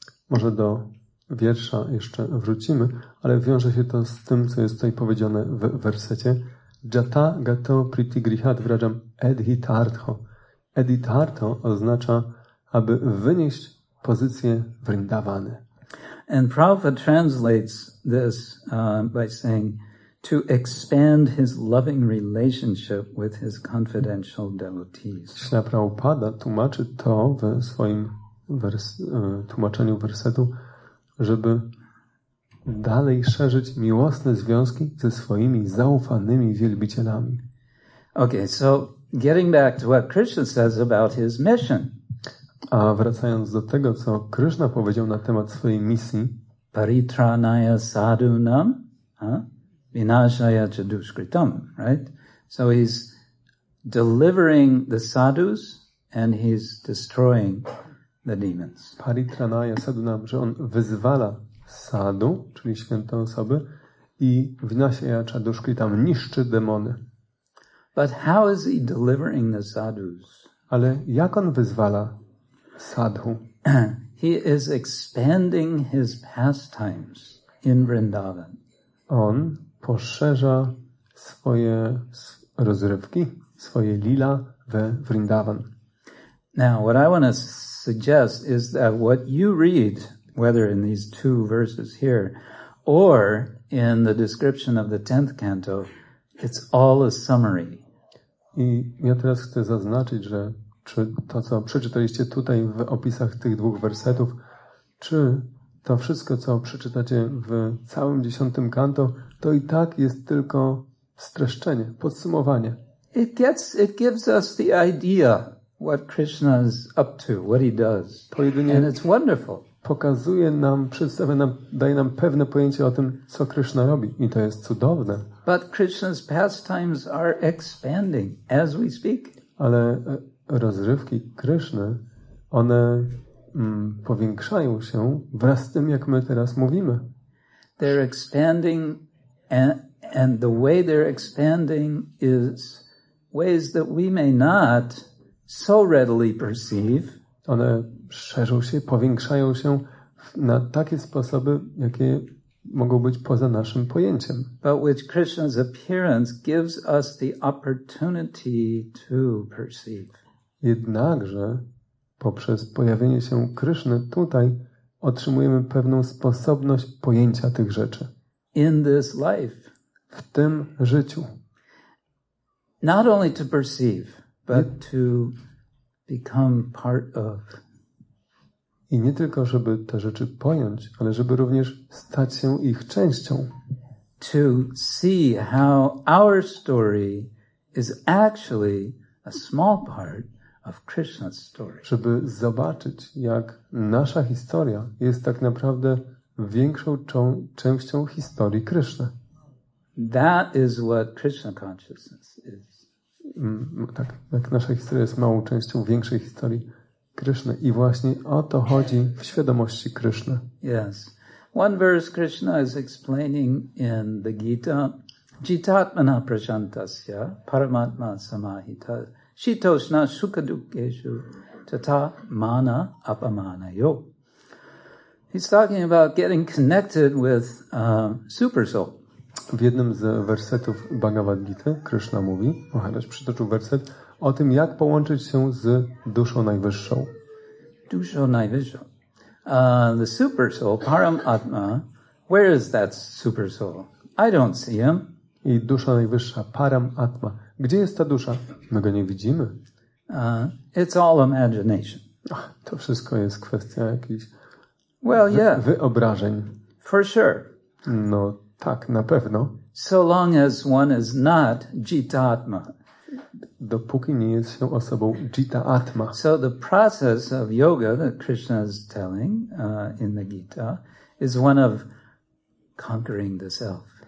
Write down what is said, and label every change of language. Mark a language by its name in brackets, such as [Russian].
[Polish] Może do wiersza jeszcze wrócimy, ale wiąże się to z tym, co jest tutaj powiedziane w wersecie. [Sanskrit] Jata gato priti grihat vrajam edhitartho. [Polish] Edhitartho oznacza, aby wynieść pozycję Vrindavany. [English] And Prabhupada translates this by saying to expand his loving relationship with his confidential devotees. [Polish] Śla Prabhupada tłumaczy to w swoim tłumaczeniu wersetu, żeby dalej szerzyć miłosne związki ze swoimi zaufanymi wielbicielami. [English] Okay, so getting back to what Krishna says about his mission. [Polish] A wracając do tego, co Krishna powiedział na temat swojej misji. [Sanskrit] Paritranaya sadunam vinashaya cha duskritam, right? [English] So he's delivering the sadhus and he's destroying the demons. [Sanskrit] Paritranaya sadunam, [Polish] że on wyzwala sadhu, czyli święte osoby, i [Sanskrit] vinashaya cha duskritam, [Polish] niszczy demony. [English] But how is he delivering the sadhus? [Polish] Ale jak on wyzwala sadhu? [English] He is expanding his pastimes in Vrindavan. [Polish] On poszerza swoje rozrywki, swoje lila we Vrindavan. [English] Now, what I want to suggest is that what you read, whether in these two verses here or in the description of the 10th canto, it's all a summary. [Polish] I ja teraz chcę zaznaczyć, że czy to, co przeczytaliście tutaj w opisach tych dwóch wersetów, czy to wszystko, co przeczytacie w całym 10. kanto, to i tak jest tylko streszczenie, podsumowanie. [English] It gives us the idea what Krishna is up to, what he does. And it's wonderful. [Polish] pokazuje nam, przedstawia nam, daje nam pewne pojęcie o tym, co Krishna robi. I to jest cudowne. [English] But Krishna's pastimes are expanding as we speak. [Polish] Ale rozrywki Kryszny, one powiększają się wraz z tym, jak my teraz mówimy. [English] They're expanding and the way they're expanding is ways that we may not so readily perceive. [Polish] One szerzą się, powiększają się na takie sposoby, jakie mogą być poza naszym pojęciem. [English] But which Krishna's appearance gives us the opportunity to perceive. [Polish] Jednakże poprzez pojawienie się Kryszny tutaj otrzymujemy pewną sposobność pojęcia tych rzeczy. [English] In this life. [Polish] W tym życiu. [English] Not only to perceive, but to become part of. [Polish] I nie tylko, żeby te rzeczy pojąć, ale żeby również stać się ich częścią. [English] To see how our story is actually a small part of Krishna's story. [Polish] Żeby zobaczyć, jak nasza historia jest tak naprawdę większą częścią historii Kryszny. [English] That is what Krishna consciousness is. [Polish] Tak, jak nasza historia jest małą częścią większej historii Kryszny. I właśnie o to chodzi w świadomości Kryszny. [English] Yes. One verse Krishna is explaining in the Gita. [Sanskrit] Jitatmana prajantasya paramatma samahita shitoshna sukadukeshu tata mana apamana yo. [English] He's talking about getting connected with super soul. [Polish] W jednym z wersetów Bhagavad Gita Krishna mówi, Maharaj przytoczył werset, o tym, jak połączyć się z duszą najwyższą. Duszą najwyższą. [English] The super soul, Paramatma, where is that super soul? I don't see him. [Polish] I dusza najwyższa, Paramatma. Gdzie jest ta dusza? My go nie widzimy. [English] It's all imagination. [Polish] Ach, to wszystko jest kwestia jakichś wyobrażeń. [English] For sure. [Polish] No tak, na pewno. [English] So long as one is not jitatma. [Polish] Dopóki nie jest się osobą jita atma. [English] So the process of yoga that Krishna is telling in the Gita is one of conquering the self.